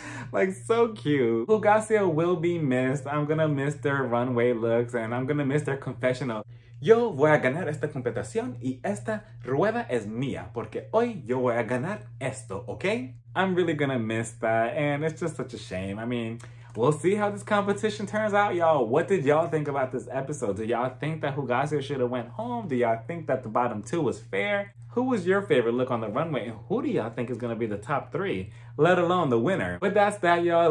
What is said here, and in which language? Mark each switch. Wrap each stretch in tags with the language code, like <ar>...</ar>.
<en>Like, so cute. Hugasio will be missed. I'm gonna miss their runway looks, and I'm gonna miss their confessional.</en> <es>Yo voy a ganar esta competición y esta rueda es mía porque hoy yo voy a ganar esto, okay?</es> <en>I'm really gonna miss that and it's just such a shame. I mean, we'll see how this competition turns out, y'all. What did y'all think about this episode? Do y'all think that Hugasio should have went home? Do y'all think that the bottom two was fair? Who was your favorite look on the runway? And who do y'all think is gonna be the top three, let alone the winner? But that's that, y'all.</en>